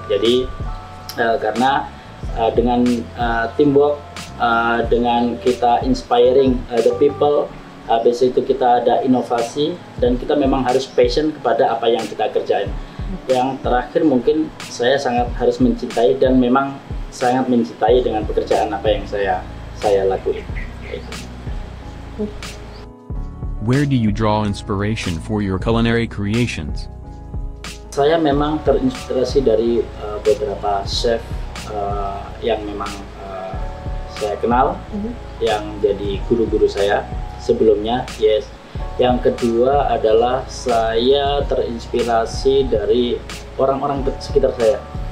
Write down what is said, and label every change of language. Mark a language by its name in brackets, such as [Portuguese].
[Indonesian] Jadi karena dengan teamwork, dengan kita [English] inspiring the people, [Indonesian] habis itu kita ada inovasi, dan kita memang harus passion kepada apa yang kita kerjain. Yang terakhir, mungkin saya sangat harus mencintai, dan memang sangat mencintai dengan pekerjaan apa yang saya lakuin. [English] Where do you draw inspiration for your culinary creations? [Indonesian] Saya memang terinspirasi dari beberapa chef yang memang saya kenal, yang jadi guru-guru saya sebelumnya, yes. Yang kedua adalah saya terinspirasi dari orang-orang sekitar saya.